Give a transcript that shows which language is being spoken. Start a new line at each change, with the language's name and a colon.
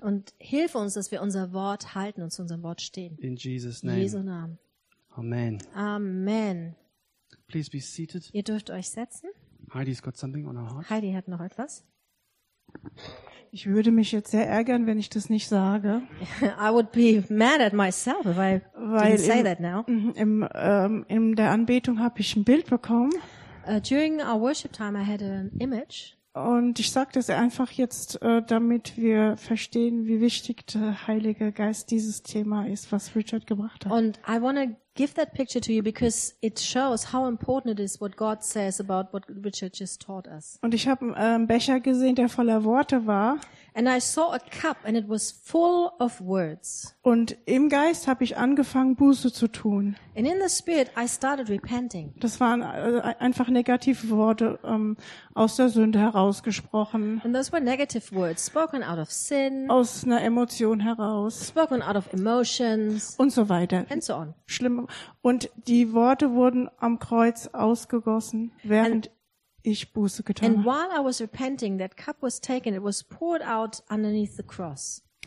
German: Und hilf uns, dass wir unser Wort halten und zu unserem Wort stehen.
English: In Jesus' name.
German: Jesu Namen.
English: Amen.
German: Amen.
English: Please be seated.
German: Ihr dürft euch setzen.
English: Heidi's got something on her heart.
German: Heidi hat noch etwas. Ich würde mich jetzt sehr ärgern, wenn ich das nicht sage.
English: I would be mad at myself if I didn't say that now.
German: In der Anbetung habe ich ein Bild bekommen.
English: During our worship time I had an image.
German: Und ich sage das einfach jetzt, damit wir verstehen, wie wichtig der Heilige Geist dieses Thema ist, was Richard gebracht hat.
English: And I want to give that picture to you because it shows how important it is what God says about what Richard just taught us.
German: Und ich habe einen Becher gesehen, der voller Worte war.
English: And I saw a cup and it was full of words.
German: Und im Geist habe ich angefangen Buße zu tun.
English: And in the spirit I started repenting.
German: Das waren einfach negative Worte aus der Sünde herausgesprochen.
English: And those were negative words spoken out of sin.
German: Aus einer Emotion heraus.
English: Spoken out of emotions.
German: Und so weiter.
English: And so on.
German: Schlimm. Und die Worte wurden am Kreuz ausgegossen, während ich Buße getan habe.
English: And while I was repenting, that cup was taken, it was poured out underneath the cross.